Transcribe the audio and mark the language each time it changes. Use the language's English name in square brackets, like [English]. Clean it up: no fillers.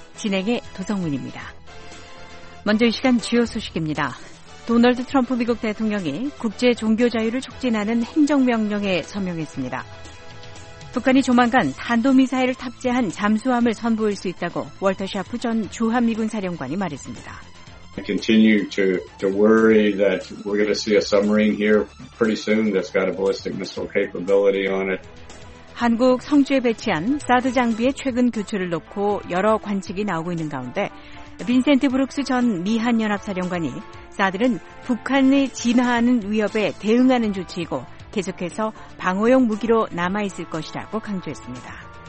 [Korean] 진행의 도성문입니다. 먼저 이 시간 주요 소식입니다. 도널드 트럼프 미국 대통령이 국제 종교 자유를 촉진하는 행정명령에 서명했습니다. 북한이 조만간 탄도미사일을 탑재한 잠수함을 선보일 수 있다고 월터 샤프 전 주한미군 사령관이 말했습니다. [English] I continue to worry that we're going to see a submarine here pretty soon that's got a ballistic missile capability on it. [Korean] 한국 성주에 배치한 사드 장비의 최근 교체를 놓고 여러 관측이 나오고 있는 가운데 빈센트 브룩스 전 미한연합사령관이 사드는 북한이 진화하는 위협에 대응하는 조치이고 계속해서 방어용 무기로 남아있을 것이라고 강조했습니다.